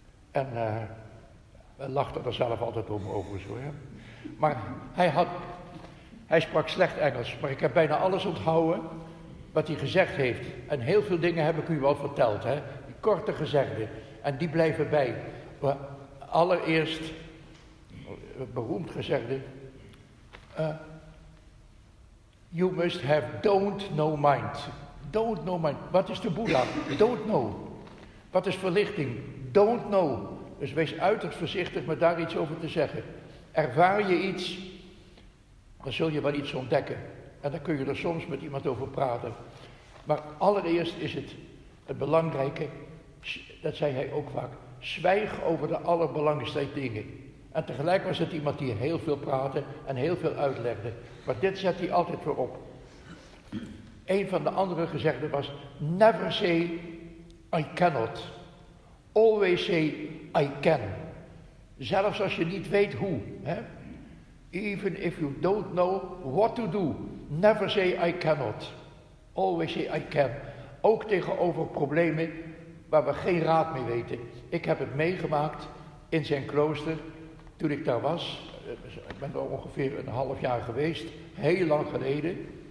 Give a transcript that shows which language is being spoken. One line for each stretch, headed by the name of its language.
Dutch: En we lachten er zelf altijd om overigens hoor. Hè. Maar hij sprak slecht Engels, maar ik heb bijna alles onthouden wat hij gezegd heeft. En heel veel dingen heb ik u wel verteld, hè. Die korte gezegden, en die blijven bij. Allereerst, beroemd gezegde,
English: you must have don't know mind. Don't know mind.
Dutch: Wat is de Boeddha?
English: Don't know.
Dutch: Wat is verlichting? Don't know. Dus wees uiterst voorzichtig met daar iets over te zeggen. Ervaar je iets, dan zul je wel iets ontdekken. En dan kun je er soms met iemand over praten. Maar allereerst is het belangrijke, dat zei hij ook vaak, zwijg over de allerbelangrijkste dingen. En tegelijk was het iemand die heel veel praatte en heel veel uitlegde. Maar dit zet hij altijd weer op. Een van de andere gezegden was,
English: never say I cannot. Always say, I can.
Dutch: Zelfs als je niet weet hoe. Hè?
English: Even if you don't know what to do. Never say, I cannot. Always say, I can.
Dutch: Ook tegenover problemen waar we geen raad mee weten. Ik heb het meegemaakt in zijn klooster toen ik daar was. Ik ben er ongeveer een half jaar geweest. Heel lang geleden.